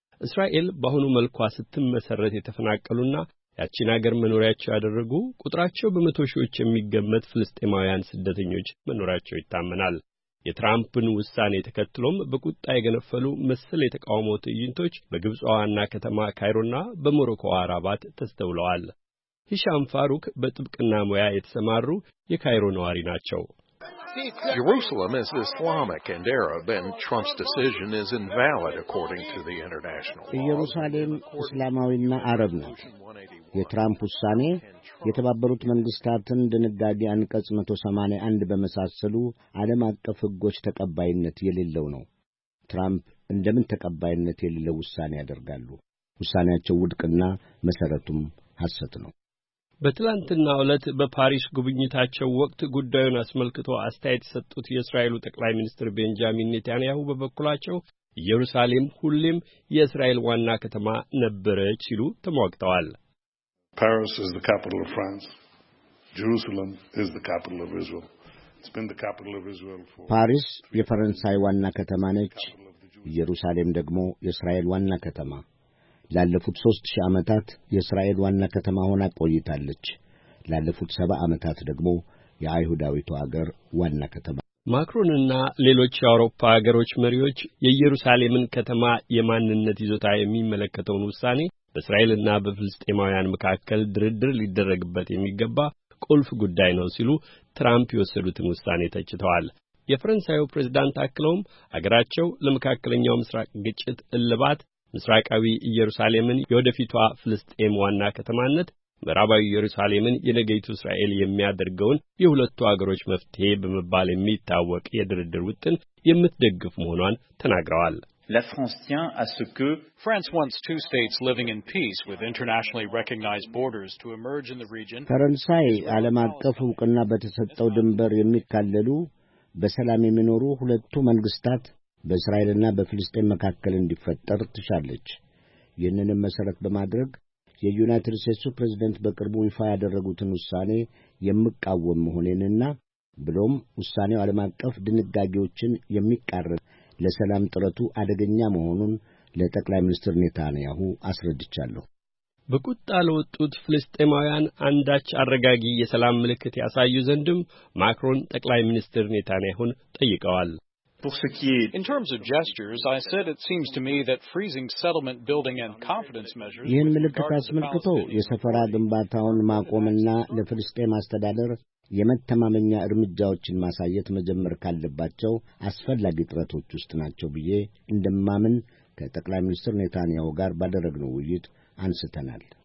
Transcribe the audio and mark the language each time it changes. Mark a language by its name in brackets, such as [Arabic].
[Amharic] እስራኤል በአሁኑ መልኳ ስትመሰረት የተፈናቀሉና ያቺን አገር መኖሪያቸው ያደረጉ ቁጥራቸው በመቶ ሺዎች የሚገመት ፍልስጤማውያን ስደተኞች መኖሪያቸው ይታመናል። የትራምፕን ውሳኔ ተከትሎም በቁጣ የገነፈሉ መሰል የተቃውሞ ትዕይንቶች በግብጽ ዋና ከተማ ካይሮና በሞሮኮ ራባት ተስተውለዋል። ሂሻም ፋሩክ በጥብቅና ሙያ የተሰማሩ የካይሮ ነዋሪ ናቸው። [English] Jerusalem is Islamic and Arab, and Trump's decision is invalid according to the international law. [Amharic] ኢየሩሳሌም እስላማዊና አረብ ነው። የትራምፕ ውሳኔ የተባበሩት መንግስታትን ድንጋጌ አንቀጽ 181 በመሳሰሉ ዓለም አቀፍ ሕጎች ተቀባይነት የሌለው ነው። ትራምፕ እንደምን ተቀባይነት የሌለው ውሳኔ ያደርጋሉ? ውሳኔያቸው ውድቅና መሰረቱም ሐሰት ነው። በትላንትናው ዕለት በፓሪስ ጉብኝታቸው ወቅት ጉዳዩን አስመልክቶ አስተያየት የሰጡት የእስራኤሉ ጠቅላይ ሚኒስትር ቤንጃሚን ኔታንያሁ በበኩላቸው ኢየሩሳሌም ሁሌም የእስራኤል ዋና ከተማ ነበረች ሲሉ ተሟግተዋል። [English] Paris is the capital of France. Jerusalem is the capital of Israel. It's been the capital of Israel for [Amharic] ፓሪስ የፈረንሳይ ዋና ከተማ ነች። ኢየሩሳሌም ደግሞ የእስራኤል ዋና ከተማ ላለፉት 3000 ዓመታት የእስራኤል ዋና ከተማ ሆና ቆይታለች። ላለፉት 70 ዓመታት ደግሞ የአይሁዳዊቱ አገር ዋና ከተማ። ማክሮንና ሌሎች የአውሮፓ አገሮች መሪዎች የኢየሩሳሌምን ከተማ የማንነት ይዞታ የሚመለከተውን ውሳኔ በእስራኤልና በፍልስጤማውያን መካከል ድርድር ሊደረግበት የሚገባ ቁልፍ ጉዳይ ነው ሲሉ ትራምፕ የወሰዱትን ውሳኔ ተችተዋል። የፈረንሳዩ ፕሬዝዳንት አክለውም አገራቸው ለመካከለኛው ምስራቅ ግጭት እልባት ምስራቃዊ ኢየሩሳሌምን የወደፊቷ ፍልስጤም ዋና ከተማነት፣ ምዕራባዊ ኢየሩሳሌምን የነገይቱ እስራኤል የሚያደርገውን የሁለቱ አገሮች መፍትሄ በመባል የሚታወቅ የድርድር ውጥን የምትደግፍ መሆኗን ተናግረዋል። [French] La France tient à ce que [English] France wants two states living in peace with internationally recognized borders to emerge in the region. [Amharic] ፈረንሳይ ዓለም አቀፍ ዕውቅና በተሰጠው ድንበር የሚካለሉ በሰላም የሚኖሩ ሁለቱ መንግስታት በእስራኤልና በፍልስጤም መካከል እንዲፈጠር ትሻለች። ይህንንም መሰረት በማድረግ የዩናይትድ ስቴትስ ፕሬዝዳንት በቅርቡ ይፋ ያደረጉትን ውሳኔ የምቃወም መሆኔንና ብሎም ውሳኔው ዓለም አቀፍ ድንጋጌዎችን የሚቃረን ለሰላም ጥረቱ አደገኛ መሆኑን ለጠቅላይ ሚኒስትር ኔታንያሁ አስረድቻለሁ። በቁጣ ለወጡት ፍልስጤማውያን አንዳች አረጋጊ የሰላም ምልክት ያሳዩ ዘንድም ማክሮን ጠቅላይ ሚኒስትር ኔታንያሁን ጠይቀዋል። [English] In terms of gestures, I said it seems to me that freezing settlement building and confidence measures [Amharic] ይህን ምልክት አስመልክቶ የሰፈራ ግንባታውን ማቆምና ለፍልስጤም አስተዳደር የመተማመኛ እርምጃዎችን ማሳየት መጀመር ካለባቸው አስፈላጊ ጥረቶች ውስጥ ናቸው ብዬ እንደማምን ከጠቅላይ ሚኒስትር ኔታንያሁ ጋር ባደረግነው ውይይት አንስተናል።